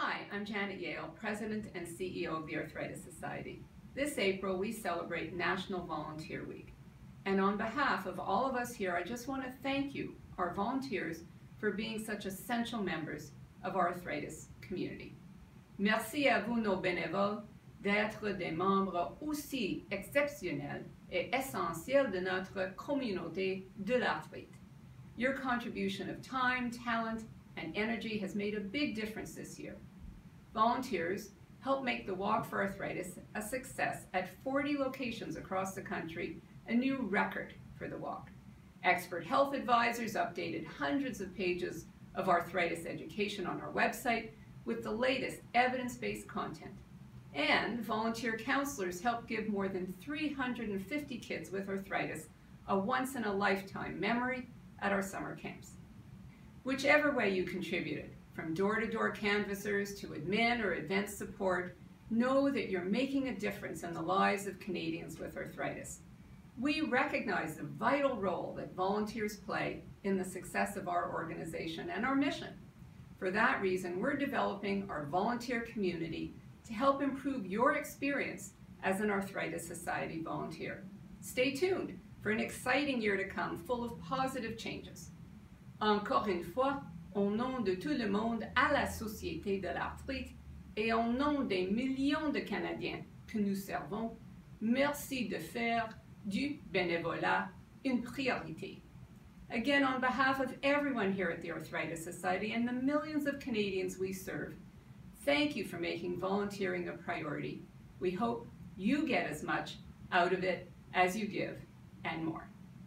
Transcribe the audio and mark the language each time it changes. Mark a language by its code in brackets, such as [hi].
[en] I'm Janet Yale, President and CEO of the Arthritis Society. This April, we celebrate National Volunteer Week. And on behalf of all of us here, I just want to thank you, our volunteers, for being such essential members of our arthritis community. [fr] Merci à vous, nos bénévoles, d'être des membres aussi exceptionnels et essentiels de notre communauté de l'arthrite. [en] Your contribution of time, talent, and energy has made a big difference this year. Volunteers help make the Walk for Arthritis a success at 40 locations across the country, a new record for the walk. Expert health advisors updated hundreds of pages of arthritis education on our website with the latest evidence-based content. And volunteer counselors helped give more than 350 kids with arthritis a once-in-a-lifetime memory at our summer camps. Whichever way you contributed, from door-to-door canvassers to admin or event support, know that you're making a difference in the lives of Canadians with arthritis. We recognize the vital role that volunteers play in the success of our organization and our mission. For that reason, we're developing our volunteer community to help improve your experience as an Arthritis Society volunteer. Stay tuned for an exciting year to come full of positive changes. [fr] Encore une fois, au nom de tout le monde à la Société de l'Arthrite et au nom des millions de Canadiens que nous servons, merci de faire du bénévolat une priorité. [en] Again, on behalf of everyone here at the Arthritis Society and the millions of Canadians we serve, thank you for making volunteering a priority. We hope you get as much out of it as you give, and more.